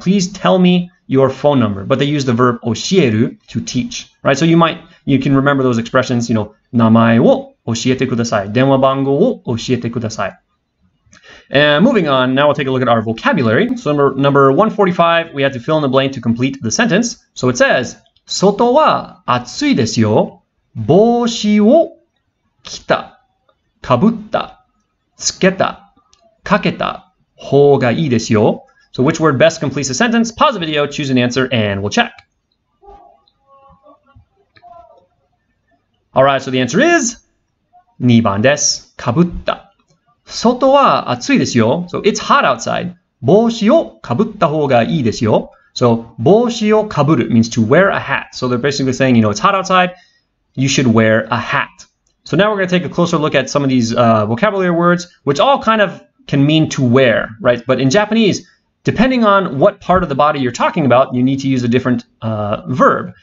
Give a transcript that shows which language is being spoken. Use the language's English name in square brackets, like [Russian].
[English] Please tell me your phone number. But they use the verb oshieru to teach, right? So you might, you can remember those expressions, you know, [Japanese] namai wo oshiete kudasai, [English] denwa bango wo oshiete kudasai. And moving on, now we'll take a look at our vocabulary. So number 145, we had to fill in the blank to complete the sentence. So it says, [Japanese] 外は暑いですよ。帽子を着た、かぶった、つけた、かけた方がいいですよ。 [English] So which word best completes the sentence? Pause the video, choose an answer, and we'll check. All right, so the answer is [Japanese] 2番です。かぶった。外は暑いですよ。 [English] So it's hot outside. [Japanese] 帽子をかぶった方がいいですよ。 [English] So [Japanese] 帽子をかぶる [English] means to wear a hat. So they're basically saying, you know, it's hot outside. You should wear a hat. So now we're going to take a closer look at some of these vocabulary words, which all kind of can mean to wear, right? But in Japanese, depending on what part of the body you're talking about, you need to use a different verb.